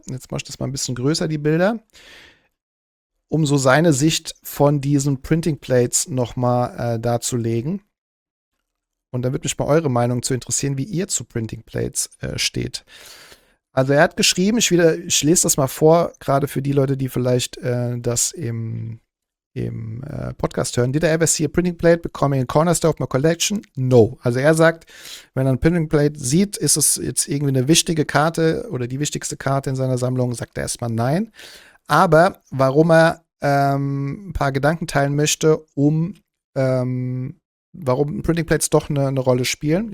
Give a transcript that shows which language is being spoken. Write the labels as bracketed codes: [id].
[de] Jetzt mache ich das mal ein bisschen größer, die Bilder, um so seine Sicht von diesen Printing Plates nochmal darzulegen. Und da würde mich mal eure Meinung zu interessieren, wie ihr zu Printing Plates steht. Also er hat geschrieben, ich lese das mal vor, gerade für die Leute, die vielleicht das im Podcast hören. [en] Did I ever see a printing plate becoming a cornerstone of my collection? No. [de] Also er sagt, wenn er ein printing plate sieht, ist es jetzt irgendwie eine wichtige Karte oder die wichtigste Karte in seiner Sammlung, sagt er erstmal nein. Aber warum er ein paar Gedanken teilen möchte, warum printing plates doch eine Rolle spielen.